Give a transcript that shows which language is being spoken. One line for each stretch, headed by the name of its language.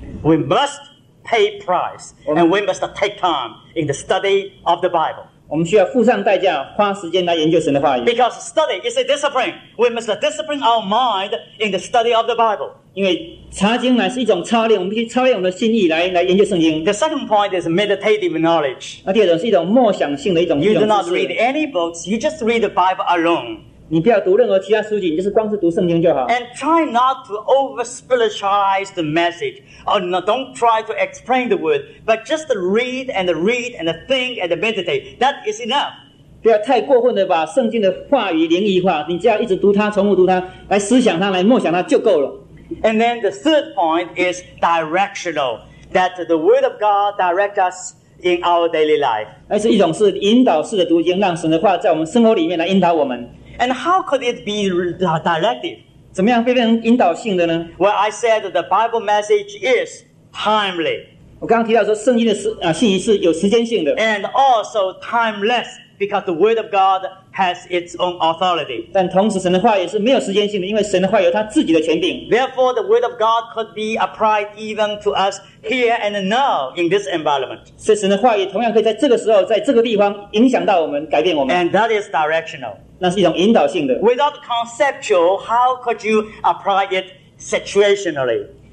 English: We must pay price, and we must take time in the study of the Bible.
Chinese: 我们需要付上代价，花时间来研究神的话语。
English: Because study is a discipline, we must discipline our mind in the study of the Bible.
Chinese: 因为查经乃是一种操练，我们必须操练我们的心意来研究圣经。
English: The second point is meditative knowledge.
Chinese: 那第二种是一种默想性的一种知识。
English: You do not read any books; you just read the Bible alone.
Chinese: 你不要读任何其他书籍，你就是光是读圣经就好。
English: And try not to over-spiritualize the message. Or no, don't try to explain the word, but just read and read and think and meditate. That is enough.
Chinese: 不要太过分的把圣经的话语灵异化，你只要一直读它，重复读它，来思想它，来默想它就够了。
English: And then the third point is directional, that the Word of God directs us in our daily life.
Chinese: 那是一种是引导式的读经, 让神的话在我们生活里面来引导我们。
English: And how could it be directive?
Chinese: 怎么样被人引导性的呢?
English: Well, I said the Bible message is timely.
Chinese: 我刚刚提到说圣经的信息是有时间性的。
English: And also timeless, because the Word of God has its own authority.
Chinese: 但同时神的话也是没有时间性的, 因为神的话有他自己的权柄。
English: Therefore, the Word of God could be applied even to us here and now in this environment.
Chinese: 所以神的话也同样可以在这个时候, 在这个地方影响到我们, 改变我们。
English: And that is directional.
Chinese: 那是一种引导性的。
English: Without conceptual, how could you apply it situationally?